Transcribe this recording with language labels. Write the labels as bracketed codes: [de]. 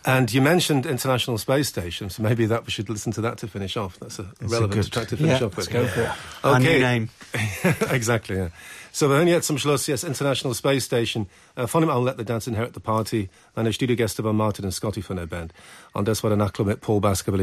[en] And you mentioned International Space Station, so maybe that we should listen to that to finish off. That's a relevant track to finish off with. Let's go for it. Okay. And new name. Exactly, yeah. [de] So wir hören jetzt zum Schluss, yes, International Space Station. Von dem I'll Let the Dance Inherit the Party. Meine Studiogäste waren Martin und Scotty von der Band. Und das war der Nachtclub mit Paul Baskerville.